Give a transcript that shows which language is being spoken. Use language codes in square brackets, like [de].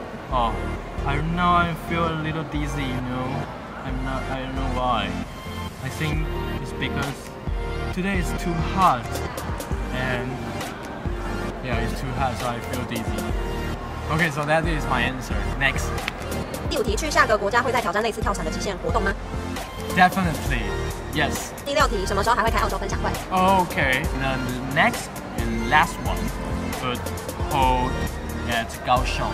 [en] Oh, I don't know, I feel a little dizzy, you know? I don't know why. I think it's becauseToday is too hot, and yeah, it's too hot, so I feel dizzy. Okay, so that is my answer. Next. [zh] 第五题，去下个国家会再挑战类似跳伞的极限活动吗？ [en] Definitely, yes. [zh] 第六题，什么时候还会开澳洲分享会？ [en] Okay, the next and last one would hold at 高雄.